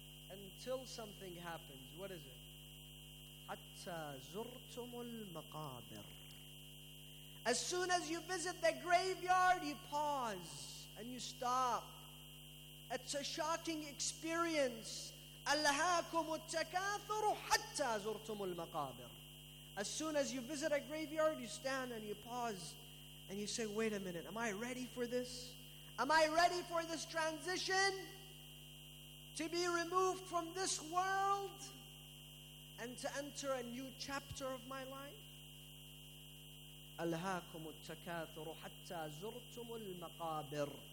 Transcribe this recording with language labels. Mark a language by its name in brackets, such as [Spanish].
[English] Until something happens. What is it? [Arabic] حَتَّى زُرْتُمُ الْمَقَابِرُ. [English] As soon as you visit the graveyard, you pause and you stop. It's a shocking experience. [Arabic] أَلْهَاكُمُ التَّكَاثُرُ حَتَّى زُرْتُمُ الْمَقَابِرُ. [English] As soon as you visit a graveyard, you stand and you pause and you say, wait a minute, am I ready for this? Am I ready for this transition? To be removed from this world and to enter a new chapter of my life? [Arabic] أَلْهَاكُمُ التَّكَاثُرُ حَتَّى زُرْتُمُ الْمَقَابِرُ.